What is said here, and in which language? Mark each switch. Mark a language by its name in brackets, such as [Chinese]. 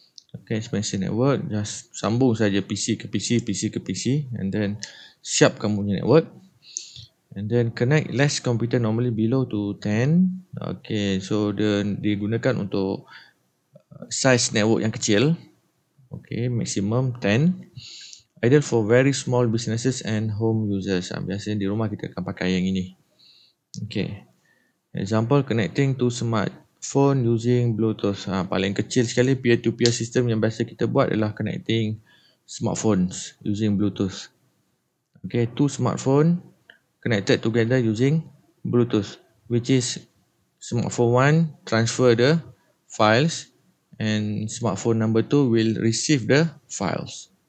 [English] Okay, expensive network, just [Malay] sambung saja PC ke PC, PC ke PC, [English] and then [Malay] siap kamu punya network. [English] And then connect less computer normally below to 10. [Malay] Okay, so dia digunakan untuk size network yang kecil. [English] Okay, maximum 10. Ideal for very small businesses and home users. [Malay] Biasanya di rumah kita akan pakai yang ini. Okay. [English] Example, connecting to smartphone using Bluetooth. [Malay] Paling kecil sekali peer-to-peer system yang biasa kita buat adalah [English] connecting smartphones using Bluetooth. Okay, two smartphone connected together using Bluetooth, which is smartphone one transfer the files and smartphone number two will receive the files.